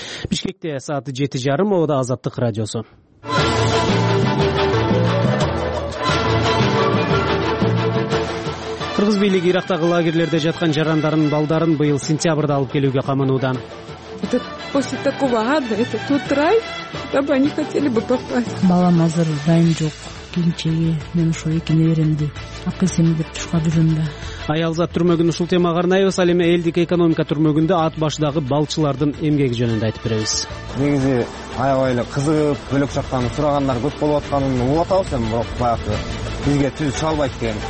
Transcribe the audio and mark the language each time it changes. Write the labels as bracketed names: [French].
[Kyrgyz] Бишкекте саат 7:30, ооба Азаттык радиосу. Кыргыз бийлиги Ирактагы лагерлерде жаткан жарандарын балдарын быйыл сентябрда алып келүүгө каманууда. [Russian] Это после такого ада, это тот рай, куда бы они хотели бы попасть. [Kyrgyz] Балам азыр дайым жок. Кийинчеги мен ушул эки неберемди акысыны деп тушка жүрөм да. Аялзат түрмөгүн ушул темага арнайбыз. Ал эми элдик экономика түрмөгүндө ат башыдагы балчылардын эмгеги жөнүндө айтып беребиз. Негизи аябай эле кызыгып бөлөк жактан сурагандар көп болуп атканын угуп атабыз эми, бирок баягы бизге түз салбайт экен.